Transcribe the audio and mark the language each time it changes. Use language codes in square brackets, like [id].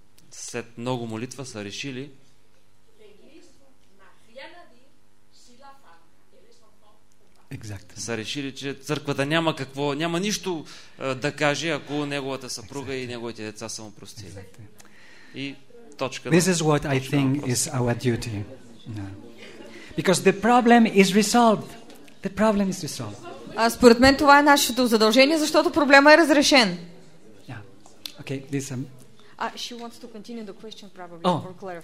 [bg] След много молитва са решили [en] exactly. [bg] Са решили, че църквата няма какво, няма нищо да каже, ако неговата съпруга [en] exactly. [bg] и неговите деца са му простили. [en] Exactly. [bg] И точка. [en] This is what I think is our duty. No. Because the problem is resolved. The problem is resolved. [bg] Според мен това е нашето задължение, защото проблема е разрешен. [en] Yeah. Okay, listen. She wants to continue the question probably for clarification.